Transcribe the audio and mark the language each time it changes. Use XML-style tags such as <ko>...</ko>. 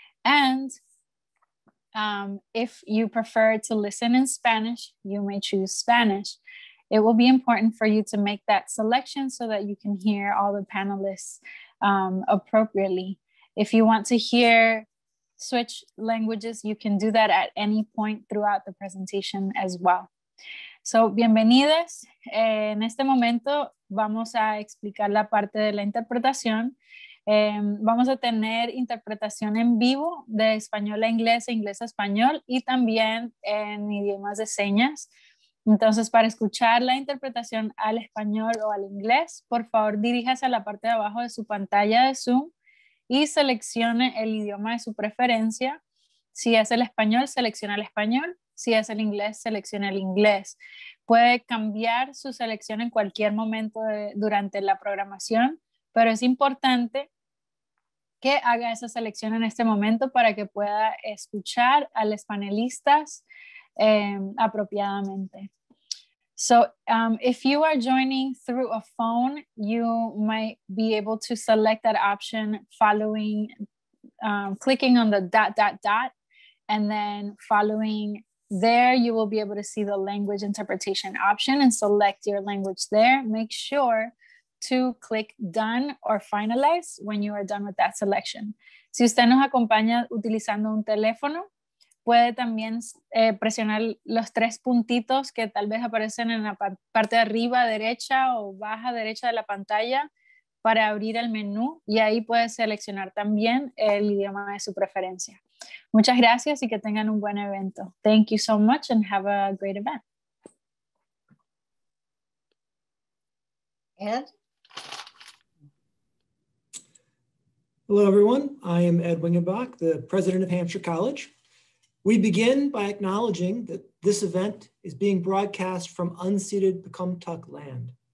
<en>And if you prefer to listen in Spanish, you may choose Spanish. It will be important for you to make that selection so that you can hear all the panelists appropriately. If you want to hear switch languages, you can do that at any point throughout the presentation as well.</en> <es>So, bienvenidas. En este momento vamos a explicar la parte de la interpretación. Vamos a tener interpretación en vivo de español a inglés, inglés a español y también en idiomas de señas. Entonces, para escuchar la interpretación al español o al inglés, por favor, diríjase a la parte de abajo de su pantalla de Zoom y seleccione el idioma de su preferencia. Si es el español, seleccione el español. Si es el inglés, seleccione el inglés. Puede cambiar su selección en cualquier momento durante la programación, pero es importante que haga esa selección en este momento para que pueda escuchar a los panelistas apropiadamente.</es> <en>So, if you are joining through a phone, you might be able to select that option following, clicking on the dot, dot, dot, and then following there, you will be able to see the language interpretation option and select your language there. Make sure to click done or finalize when you are done with that selection.</en> <es>Si usted nos acompaña utilizando un teléfono, puede también presionar los tres puntitos que tal vez aparecen en la parte de arriba derecha o baja derecha de la pantalla para abrir el menú y ahí puede seleccionar también el idioma de su preferencia. Muchas gracias y que tengan un buen evento.</es> <en>Thank you so much and have a great event. Ed? Hello, everyone. I am Ed Wingenbach, the president of Hampshire College. We begin by acknowledging that this event is being broadcast from unceded Pecumtuck land.</en>